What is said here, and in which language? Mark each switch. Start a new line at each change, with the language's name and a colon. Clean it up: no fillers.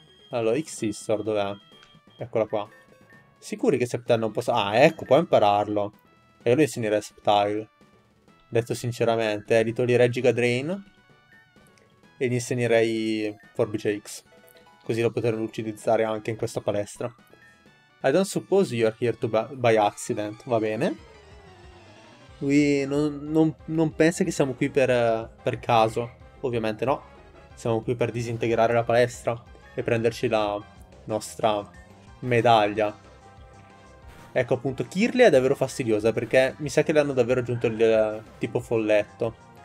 Italian: Allora, Xyzor dov'è? Eccola qua. Sicuri che Sceptile non possa... Ah, ecco, può impararlo. E io lo insegnerei Sceptile. Detto sinceramente, gli toglierei Giga Drain e gli insegnerei Forbice X. Così lo potrò utilizzare anche in questa palestra.
English: I don't suppose you are here to by accident.
Italian: Va bene. Lui non pensa che siamo qui per caso. Ovviamente no. Siamo qui per disintegrare la palestra e prenderci la nostra medaglia. Ecco, appunto, Kirlia è davvero fastidiosa perché mi sa che le hanno davvero aggiunto il tipo folletto.